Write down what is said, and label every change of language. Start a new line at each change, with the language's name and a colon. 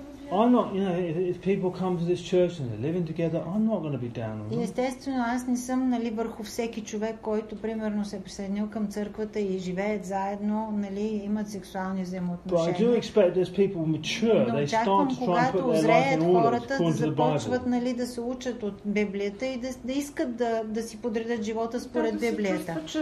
English: And I'm not, you know, if people come to this church and they're living together, I'm not going to be down on them.
Bulgarian: Естествено, аз не съм, нали, върху всеки човек, който примерно се присъединил към църквата и живеят заедно, нали, имат сексуални взаимоотношения.
English: But I do expect as people mature, they start to try and put their life in order.
Bulgarian: Когато узреят хората, започват, нали, да се учат от Библията и да искат да си подредят живота според Библията.